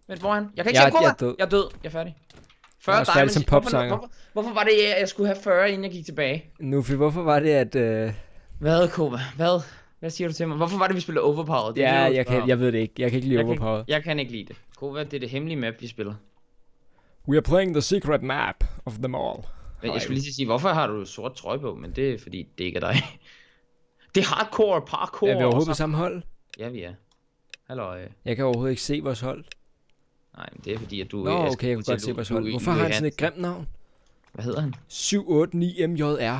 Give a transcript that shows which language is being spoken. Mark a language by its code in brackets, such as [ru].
[da] Vent, hvor er han? Jeg kan ikke se Kuba! Jeg er død, jeg er færdig. 40 jeg er også færdig som popsanger. Hvorfor var det, at jeg skulle have 40, inden jeg gik tilbage? Nuffy, hvorfor var det, at Hvad, Kuba? Hvad? Hvad siger du til mig? Hvorfor var det, vi spillede overpowered? Ja, jeg ved det ikke. Jeg kan ikke lide overpowered. Jeg kan ikke lide det. Kuba, det er det hemmelige map, vi spiller. [en] We are playing the secret map of them all. [da] Jeg skulle lige sige, hvorfor har du sort trøje på, men det er fordi, det ikke er dig. Det er hardcore, parkour. Er vi overhovedet samme hold? Ja, vi er. Halløj. Jeg kan overhovedet ikke se vores hold. Nej, men det er fordi, at du... Nå, okay, jeg kan godt se vores hold. Hvorfor har han sådan et grimt navn? Hvad hedder han?